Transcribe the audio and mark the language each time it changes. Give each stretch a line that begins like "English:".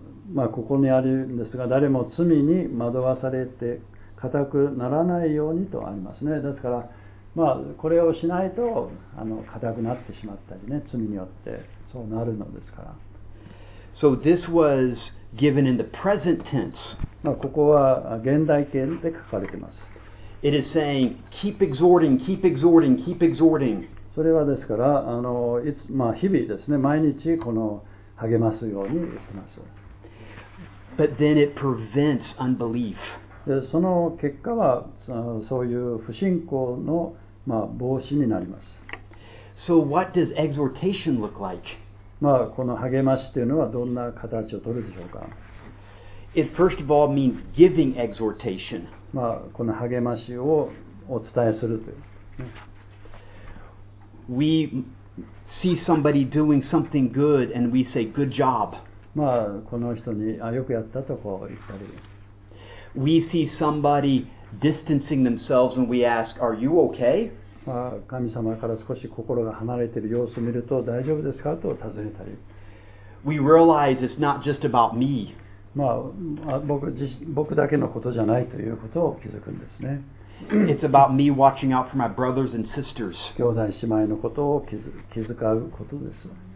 Japanese: まあ、ここにあるんですが、誰も罪に惑わされて固くならないようにとありますね。ですから、まあ、これをしないと固くなってしまったりね、罪によってそうなるのですから。
English: So this was given in the present tense.
Japanese: まあ、ここは現代形で書かれています。
English: It is saying, keep exhorting, keep exhorting, keep exhorting.
Japanese: それはですから、いつ、まあ、日々ですね、毎日この励ますように言ってます。
English: But then it prevents unbelief.
Japanese: で、その結果は、そういう不信仰の、まあ、防止になります。
English: So what does exhortation look like?
Japanese: まあ、この励ましというのはどんな形を取るでしょうか。
English: It first of all means giving exhortation.
Japanese: まあ、この励ましをお伝えするという。
English: We see somebody doing something good and we say, good job.
Japanese: まあ、この人に、あ、よくやったとこう言ったり。
English: We see somebody distancing themselves and we ask, are you okay?
Japanese: まあ、神様から少し心が離れている様子を見ると、大丈夫ですかと尋ねたり。
English: We realize it's not just about me.
Japanese: まあ、僕だけのことじゃないということを気づくんですね。
English: It's about me watching out for my brothers and sisters.
Japanese: 兄弟姉妹のことを気遣うことです。